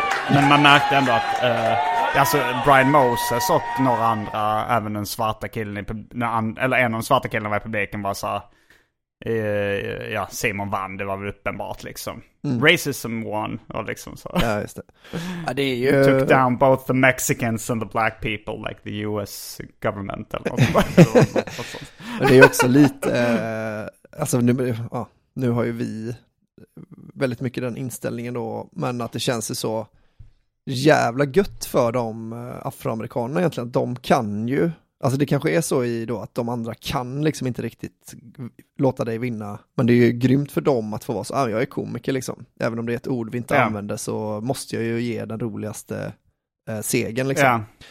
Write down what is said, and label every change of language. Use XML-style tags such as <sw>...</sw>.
<sv>Men man märkte ändå att alltså Brian Moses och några andra, även den svarta killen i, eller en av de svarta killarna i publiken, var så här, ja, Simon vann, det var väl uppenbart liksom. Mm.</sv> <en>Racism won,</en> <sv>och liksom så. Ja, just det. Ja, det är ju...</sv> <en>took down both the Mexicans and the black people, like the US government</en> <sv>eller något sånt. Det är ju också lite, alltså nu har ju vi väldigt mycket den inställningen då, men att det känns ju så jävla gött för de afroamerikanerna egentligen, att de kan ju, alltså det kanske är så i då att de andra kan liksom inte riktigt låta dig vinna, men det är ju grymt för dem att få vara så, ah, jag är komiker liksom, även om det är ett ord vi inte använder, så måste jag ju ge den roligaste segern liksom. Ja.</sv>